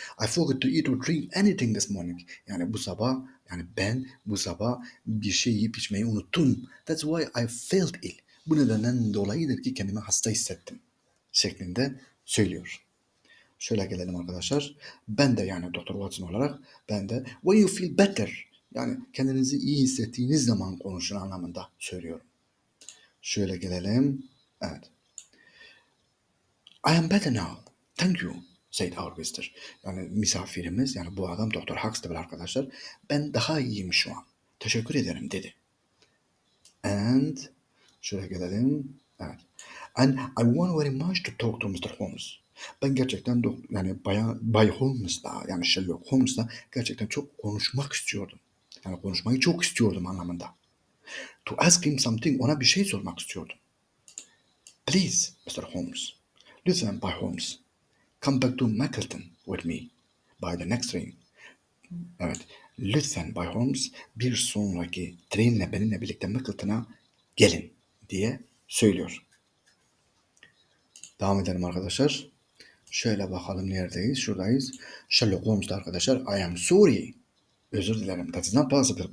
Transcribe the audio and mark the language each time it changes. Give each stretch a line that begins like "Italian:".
English: I forgot to eat or drink anything this morning.
Turkish: Yani bu sabah yani ben bu sabah bir şey yiyip içmeyi unuttum.
English: That's why I felt ill.
Turkish: Bu nedenden dolayıdır ki kendimi hasta hissettim. Şeklinde söylüyor. Şöyle gelelim arkadaşlar. Ben de yani Doktor Watson olarak ben de
English: when you feel better
Turkish: yani kendinizi iyi hissettiğiniz zaman konuşun anlamında söylüyorum. Şöyle gelelim. Evet.
English: I am better now. Thank you, said our visitor.
Turkish: Yani misafirimiz yani bu adam Doktor Huxtable arkadaşlar. Ben daha iyiyim şu an. Teşekkür ederim dedi. And şöyle gelelim. Evet.
English: And I want very much to talk to Mr. Holmes.
Turkish: Ben gerçekten yani Bay Holmes'la yani Sherlock Holmes'la gerçekten çok konuşmak istiyordum. Yani konuşmayı çok istiyordum anlamında.
English: To ask him something,
Turkish: ona bir şey sormak istiyordum.
English: Please, Mr. Holmes.
Turkish: Lütfen Bay Holmes.
English: Come back to Mackleton with me by the next train.
Turkish: Evet. Lütfen Bay Holmes bir sonraki trenle benimle birlikte Mackleton'a gelin diye söylüyor. Devam edelim arkadaşlar. Şöyle bakalım neredeyiz? Şuradayız. Sherlock Holmes'da arkadaşlar.
English: I am sorry.
Turkish: Özür dilerim.
English: That's not possible.